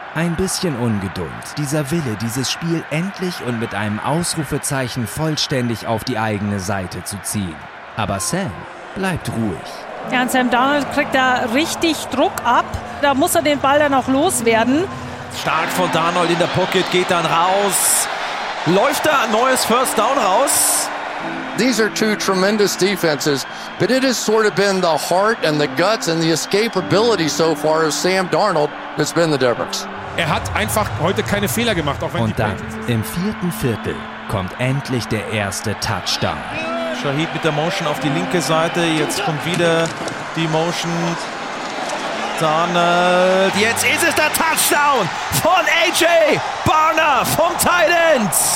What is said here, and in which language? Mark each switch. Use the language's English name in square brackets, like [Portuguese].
[German] Ein bisschen Ungeduld, dieser Wille, dieses Spiel endlich und mit einem Ausrufezeichen vollständig auf die eigene Seite zu ziehen. Aber Sam bleibt ruhig. Ja, und Sam Darnold kriegt da richtig Druck ab. Da muss er den Ball dann auch loswerden. Stark von Darnold in der Pocket, geht dann raus. Läuft da ein neues First Down raus. [English] These are two tremendous defenses, but it has sort of been the heart and the guts and the escapability so far of Sam Darnold that's been the difference. [German] Er hat einfach heute keine Fehler gemacht. Auch wenn und dann, im vierten Viertel, kommt endlich der erste Touchdown. Shahid mit der Motion auf die linke Seite. Jetzt kommt wieder die Motion. Darnold. Jetzt ist es der Touchdown von AJ Barner vom Tight End.